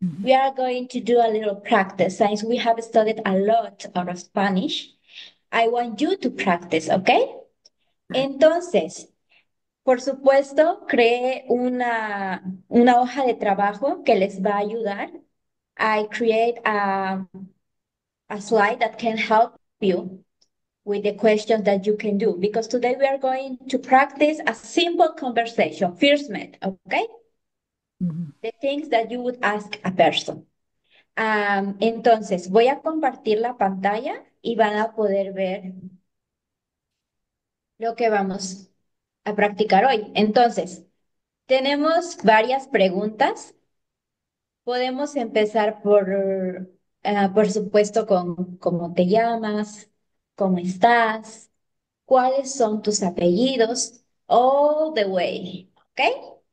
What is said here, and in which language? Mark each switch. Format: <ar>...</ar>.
<en>We are going to do a little practice. Since we have studied a lot of Spanish, I want you to practice, ¿ok?</en> <es>Entonces, por supuesto, creé una hoja de trabajo que les va a ayudar.</es> <en>I create a slide that can help you with the questions that you can do. Because today we are going to practice a simple conversation, first met, okay? The things that you would ask a person.</en> <es>Entonces, voy a compartir la pantalla y van a poder ver lo que vamos a practicar hoy. Entonces, tenemos varias preguntas. Podemos empezar por supuesto, con cómo te llamas, cómo estás, cuáles son tus apellidos,</es> <en>all the way,</en> <es>¿ok?</es>